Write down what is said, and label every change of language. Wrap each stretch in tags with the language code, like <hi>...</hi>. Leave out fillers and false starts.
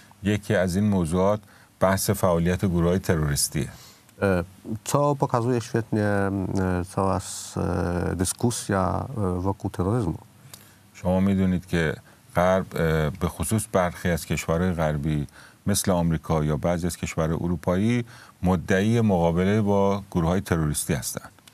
<pl>Jakie z tych</pl> <fa>موضوعات بحث فعالیت گروه تروریستی.</fa> <pl>Co pokazuje świetnie cała dyskusja wokół terroryzmu. Szanowni państwo, wiecie,</pl> <fa>غرب به خصوص برخی از کشورهای غربی مثل آمریکا یا بعضی از کشورهای اروپایی مدعی مقابله با گروه های تروریستی هستند.</fa>